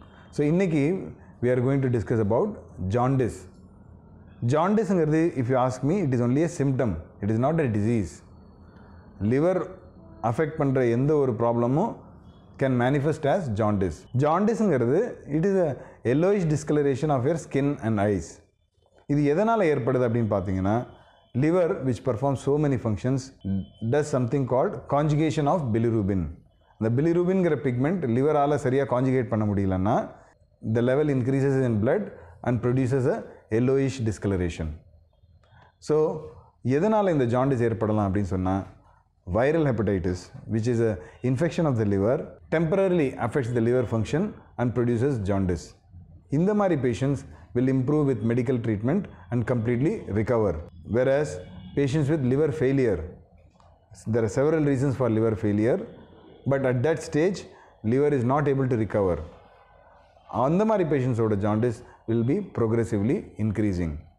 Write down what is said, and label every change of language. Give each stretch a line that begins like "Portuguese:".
English: So,
Tamil: inniki
English: we are going to discuss about jaundice. Jaundice, if you ask me, it is only a symptom, it is not a disease. Liver affect
Tamil: pandra endha oru
English: problem can manifest as jaundice. Jaundice, it is a yellowish discoloration of your skin and eyes.
Tamil: இது எதனால் ஏற்படுது அப்படின்னு பார்த்தீங்கன்னா,
English: Liver which perform so many functions does something called conjugation of bilirubin.
Tamil: அந்த பிலிரூபின்ங்கிற pigment லிவரால் சரியாக conjugate பண்ண முடியலன்னா
English: The level increases in blood and produces a yellowish discoloration.
Tamil: So எதனால் இந்த ஜாண்டிஸ் ஏற்படலாம் அப்படின்னு சொன்னால்,
English: Viral hepatitis which is a infection of the liver temporarily affects the liver function and produces jaundice.
Tamil: இந்த மாதிரி patients
English: will improve with medical treatment and completely recover. Whereas patients with liver failure, there are several reasons for liver failure, but at that stage liver is not able to recover. And the mari patients oda jaundice will be progressively increasing.